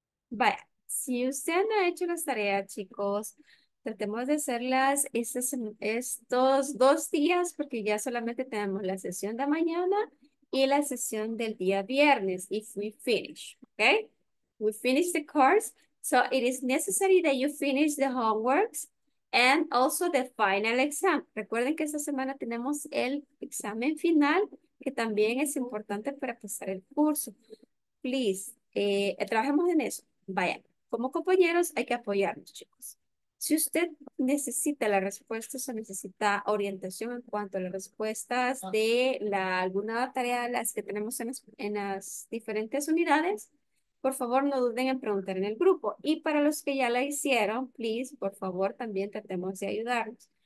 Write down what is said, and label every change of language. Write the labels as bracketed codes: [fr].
[es] Vaya, si usted no ha hecho las tareas, chicos, tratemos de hacerlas estos dos días porque ya solamente tenemos la sesión de mañana y la sesión del día viernes. [en] If we finish, okay? We finish the course, so it is necessary that you finish the homeworks. And also the final exam. [es] Recuerden que esta semana tenemos el examen final, que también es importante para pasar el curso. Please, trabajemos en eso. Vaya, como compañeros hay que apoyarnos, chicos. Si usted necesita las respuestas o necesita orientación en cuanto a las respuestas de alguna tarea de las que tenemos en las diferentes unidades, por favor, no duden en preguntar en el grupo. Y para los que ya la hicieron, please, por favor, también tratemos de ayudarnos.